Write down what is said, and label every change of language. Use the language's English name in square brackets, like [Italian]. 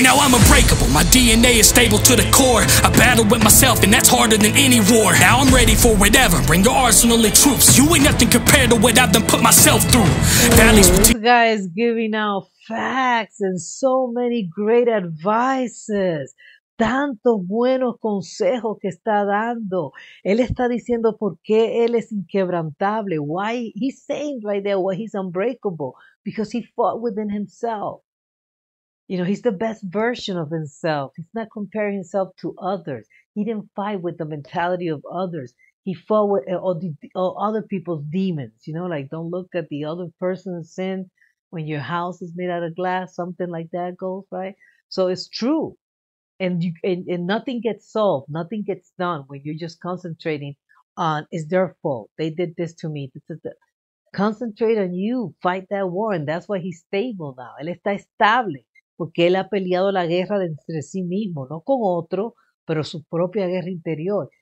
[English] Now I'm unbreakable, my DNA is stable to the core. I battle with myself and that's harder than any war. Now I'm ready for whatever, bring your arsenal of troops. You ain't nothing compared to what I've done put myself through. This guy is giving out facts and so many great advices. [Spanish] Tanto buenos consejos que está dando. Él está diciendo por qué él es inquebrantable. [English] Why he's saying right there why he's unbreakable. Because he fought within himself. You know, he's the best version of himself. He's not comparing himself to others. He didn't fight with the mentality of others. He fought with other people's demons, you know, like don't look at the other person's sin when your house is made out of glass, something like that goes, right? So it's true. And you and nothing gets solved, nothing gets done when you're just concentrating on it's their fault. They did this to me. Concentrate on you, fight that war, and that's why he's stable now. [Spanish] Él está estable porque él ha peleado la guerra entre sí mismo, no con otro, pero su propia guerra interior.